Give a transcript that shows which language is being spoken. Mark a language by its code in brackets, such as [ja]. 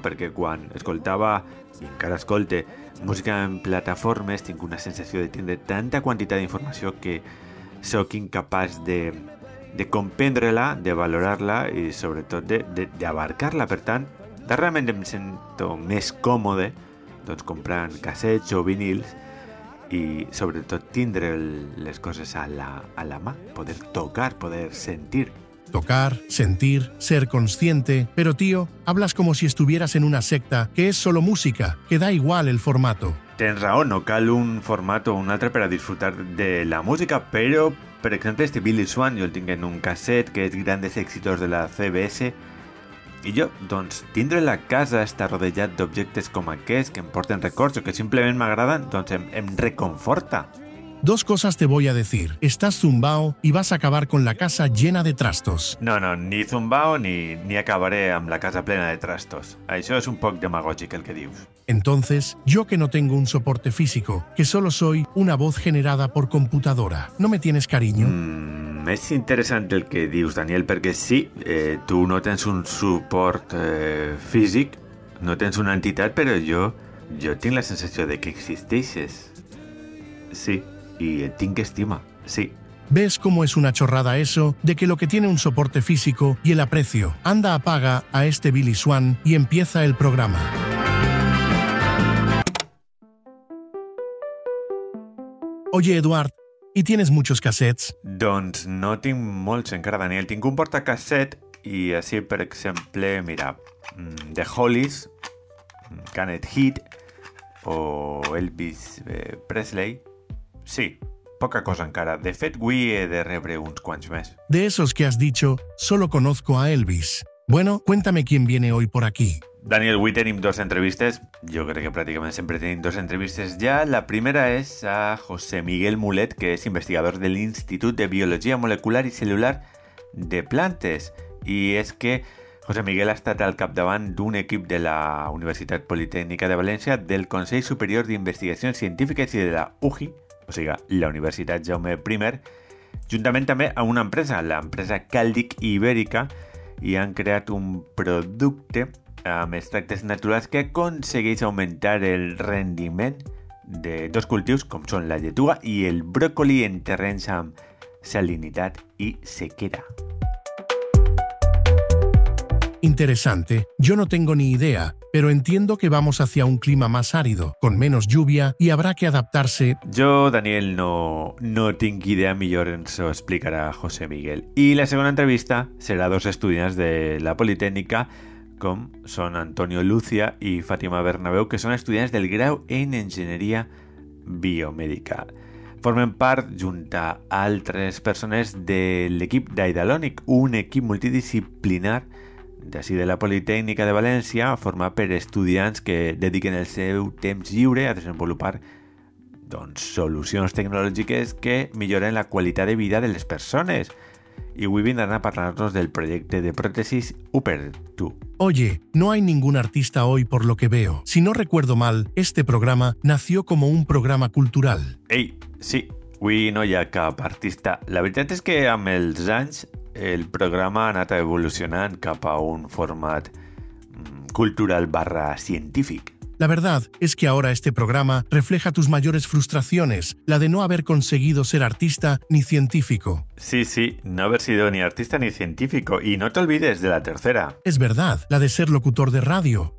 [ca] Perquè quan escoltava, i encara escolte, música en plataformes, tinc una sensació de tindre tanta quantitat d'informació que sóc incapaç de comprendre-la, de valorar-la i sobretot de abarcar-la. Per tant, realment em sento més còmode doncs comprant cassets o vinils i sobretot tindre les coses a la mà, poder tocar, poder sentir. [es] tocar, sentir, ser consciente. Pero tío, hablas como si estuvieras en una secta, que es solo música, que da igual el formato. [ca] Ten raón, no cal un formato o un altre per a disfrutar de la música, però, per exemple, este Billy Swan jo el tinc en un casset que és [es] grandes èxitos [ca] de la CBS i jo, doncs, tindre la casa està rodejat d'objectes com aquests que em porten records o que simplement m'agraden, doncs em reconforta. [es] Dos cosas te voy a decir. Estás zumbao y vas a acabar con la casa llena de trastos. [ca] No, no, ni zumbao ni acabaré amb la casa plena de trastos. Això és un poc demagògic el que dius. [es] Entonces, yo que no tengo un soporte físico, que solo soy una voz generada por computadora, ¿no me tienes cariño? [ca] És interessant el que dius, Daniel, perquè sí, tu no tens un suport físic, no tens una entitat, però jo tinc la sensació de que existeixes. Sí. Y tinc estima, sí. [es] ¿Ves cómo es una chorrada eso de que lo que tiene un soporte físico y el aprecio? Anda, apaga a este Billy Swan y empieza el programa. Oye, Eduard, ¿y tienes muchos cassettes? [ca] Doncs no tinc molts encara, Daniel. Tinc un portacasset i així, per exemple, mira, The Hollies, Can It Hit o Elvis Presley. Sí, poca cosa encara. De fet, avui he de rebre uns quants més. [es] De esos que has dicho, solo conozco a Elvis. Bueno, cuéntame quién viene hoy por aquí. [ca] Daniel, avui tenim dos entrevistes. Jo crec que pràcticament sempre tenim dos entrevistes ja. La primera és a José Miguel Mulet, que és investigador de l'Institut de Biologia Molecular i Celular de Plantes. I és que José Miguel ha estat al capdavant d'un equip de la Universitat Politècnica de València, del Consell Superior d'Investigacions Científiques i de la UGI, o sigui, la Universitat Jaume I, juntament també amb una empresa, l'empresa Caldic Ibèrica, i han creat un producte amb extractes naturals que aconsegueix augmentar el rendiment de dos cultius, com són la lletuga i el bròcoli, en terrenys amb salinitat i sequera. [es] Interesante. Yo no tengo ni idea, pero entiendo que vamos hacia un clima más árido, con menos lluvia, y habrá que adaptarse. Yo, Daniel, no tengo idea, mejor eso explicará José Miguel. Y la segunda entrevista será a dos estudiantes de la Politécnica, como son Antonio Lucia y Fátima Bernabéu, que son estudiantes del [ca] grau en Enginyeria Biomèdica. Formen part, junta a altres persones, de l'equip d'Aidalonic, un equip multidisciplinar d'ací de la Politècnica de València, format per estudiants que dediquen el seu temps lliure a desenvolupar, doncs, solucions tecnològiques que milloren la qualitat de vida de les persones. I avui vindran a parlar-nos del projecte de pròtesis Upper 2. [es] Oye, no hay ningún artista hoy por lo que veo. Si no recuerdo mal, este programa nació como un programa cultural. [ca] Ei, sí, avui no hi ha cap artista. La veritat és que amb els anys el programa ha anat evolucionant cap a un format cultural barra científic. [es] La verdad es que ahora este programa refleja tus mayores frustraciones, la de no haber conseguido ser artista ni científico. Sí, sí, no haber sido ni artista ni científico. Y no te olvides de la tercera. Es verdad, la de ser locutor de radio.